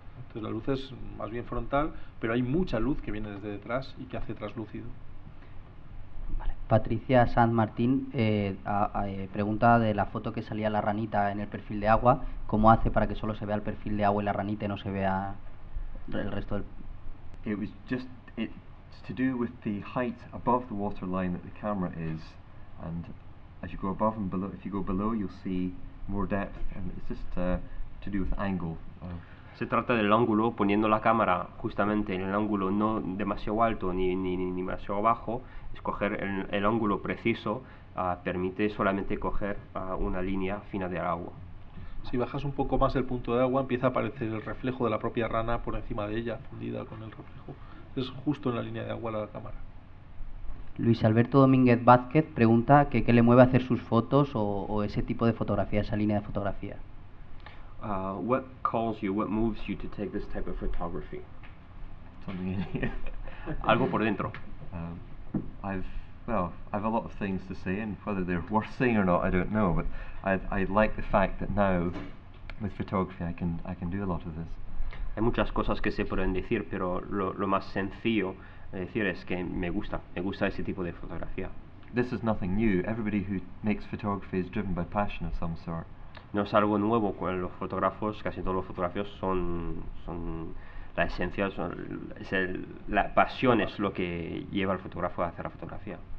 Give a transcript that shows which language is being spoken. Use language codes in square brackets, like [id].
[es] Entonces la luz es más bien frontal, pero hay mucha luz que viene desde detrás y que hace traslúcido. Vale. Patricia San Martín pregunta de la foto que salía la ranita en el perfil de agua, ¿cómo hace para que solo se vea el perfil de agua y la ranita y no se vea el resto del...? [en] It was just, it's to do with the height above the waterline that the camera is, and as you go above and below, if you go below you'll see more depth, and it's just to do with angle. [es] Se trata del ángulo, poniendo la cámara justamente en el ángulo no demasiado alto ni demasiado bajo, escoger el ángulo preciso permite solamente coger una línea fina del agua. Si bajas un poco más el punto de agua, empieza a aparecer el reflejo de la propia rana por encima de ella, fundida con el reflejo. Es justo en la línea de agua la cámara. Luis Alberto Domínguez Vázquez pregunta que qué le mueve a hacer sus fotos o ese tipo de fotografía, esa línea de fotografía. [en] What calls you, what moves you to take this type of photography? Something in here. [es] Algo por dentro. [en] I've a lot of things to say, and whether they're worth saying or not, I don't know, but I like the fact that now, with photography, I can do a lot of this. [es] Hay muchas cosas que se pueden decir, pero lo más sencillo de decir es que me gusta ese tipo de fotografía. [en] This is nothing new. Everybody who makes photography is driven by passion of some sort. [es] No es algo nuevo con los fotógrafos, casi todos los fotógrafos son la esencia, la pasión es lo que lleva al fotógrafo a hacer la fotografía.